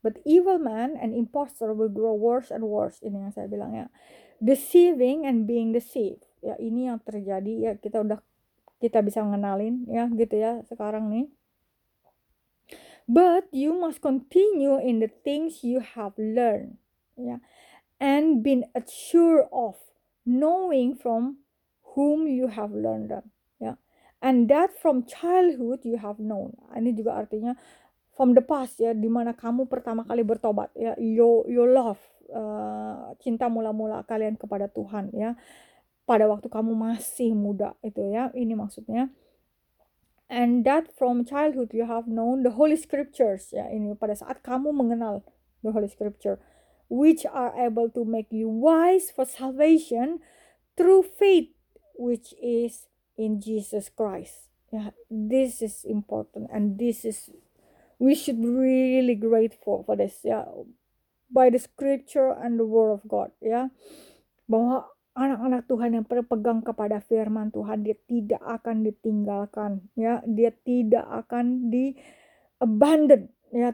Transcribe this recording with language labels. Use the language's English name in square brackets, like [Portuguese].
[English] But evil man and imposter will grow worse and worse. [Indonesian] Ini yang saya bilang ya. [English] Deceiving and being deceived. [Indonesian] Ya, ini yang terjadi ya, kita bisa ngenalin ya gitu ya sekarang nih. [English] But you must continue in the things you have learned, ya, and been assured of, knowing from whom you have learned them, ya, and that from childhood you have known. [Indonesian] Ini juga artinya [English] from the past [Indonesian] ya, di mana kamu pertama kali bertobat ya, [English] your love, [Indonesian] cinta mula-mula kalian kepada Tuhan ya, pada waktu kamu masih muda itu ya, ini maksudnya. [English] And that from childhood you have known the holy scriptures, ya, [Indonesian] ini pada saat kamu mengenal [English] the holy scripture, which are able to make you wise for salvation through faith which is in Jesus Christ. [Indonesian] Ya, [English] this is important and this is, we should be really grateful for this, ya, by the scripture and the word of God, [Indonesian] ya, bahwa anak-anak Tuhan yang berpegang kepada firman Tuhan, dia tidak akan ditinggalkan ya, dia tidak akan di abandon ya.